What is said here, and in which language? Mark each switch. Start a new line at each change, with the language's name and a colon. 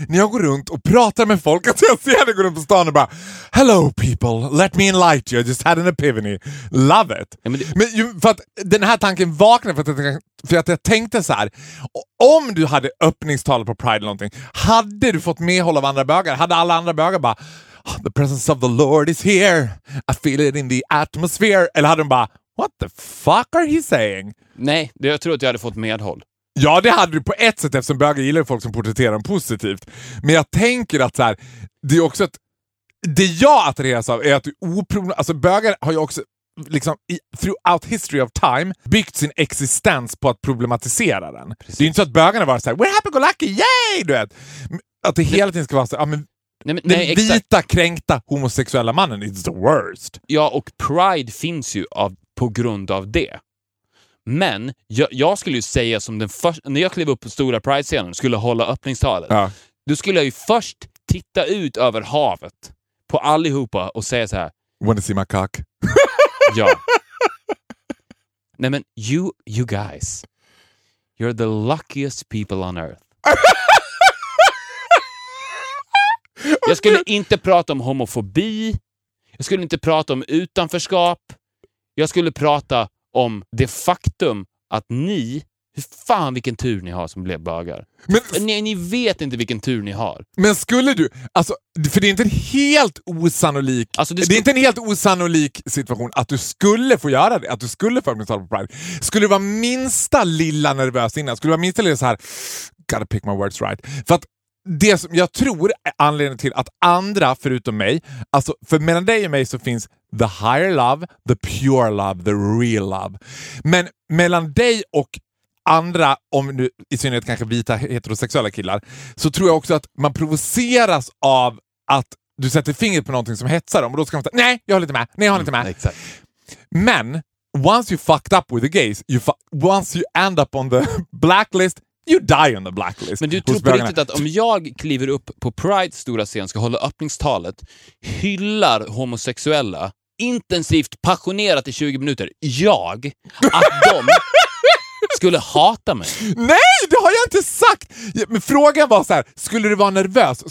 Swedish: När jag går runt och pratar med folk. Att jag ser dig gå runt på stan och bara,
English: hello people, let me enlighten you. I just had an epiphany. Love it.
Swedish: Ja, men för att den här tanken vaknade för att jag tänkte så här. Om du hade öppningstal på Pride eller någonting. Hade du fått medhåll av andra bögar? Hade alla andra bögar bara...
English: The presence of the Lord is here. I feel it in the atmosphere.
Swedish: Eller hade de bara,
English: what the fuck are he saying?
Swedish: Nej, det jag tror att jag hade fått medhåll. Ja, det hade du på ett sätt, eftersom bögar gillar folk som porträtterar dem positivt. Men jag tänker att så här, det är också att det jag attraheras av är att alltså bögar har ju också liksom
English: throughout history of time
Swedish: byggt sin existens på att problematisera den. Precis. Det är ju inte så att bögarna var så här,
English: we're happy go lucky, yay,
Swedish: du vet. Att det hela tiden ska vara så här, ja, men Nej, den vita, kränkta, homosexuella mannen,
English: it's the worst.
Swedish: Ja, och Pride finns ju på grund av det. Men jag skulle ju säga som den första, när jag klev upp på stora Pride-scenen, skulle hålla öppningstalet. Ja. Då skulle jag ju först titta ut över havet på allihopa och säga så här:
English: wanna see my cock?
Swedish: Ja. Nej, men
English: you guys, you're the luckiest people on earth.
Swedish: Jag skulle inte prata om homofobi. Jag skulle inte prata om utanförskap. Jag skulle prata om det faktum att ni... Hur fan vilken tur ni har som blev bögar. Men, ni vet inte vilken tur ni har. Men skulle du... Alltså, för det är inte en helt osannolik... Alltså, det är inte en helt osannolik situation att du skulle få göra det. Att du skulle få öppningstal på Pride. Skulle du vara minsta lilla nervös innan? Skulle du vara minsta lilla så här...
English: Gotta pick my words right.
Swedish: För att det som jag tror är anledningen till att andra förutom mig, alltså för mellan dig och mig så finns
English: the higher love, the pure love, the real love.
Swedish: Men mellan dig och andra, om nu i synnerhet kanske vita heterosexuella killar, så tror jag också att man provoceras av att du sätter fingret på någonting som hetsar dem. Och då ska man säga, nej, jag håller inte med. Nej, jag håller inte med. Exakt. Men,
English: once you fucked up with the gays, once you end up on the blacklist, you die on the blacklist.
Swedish: Men du tror på riktigt att om jag kliver upp på Pride stora scen, ska hålla öppningstalet, hyllar homosexuella intensivt, passionerat i 20 minuter, jag, att de skulle hata mig? Nej, det har jag inte sagt. Men frågan var så här, skulle du vara nervös?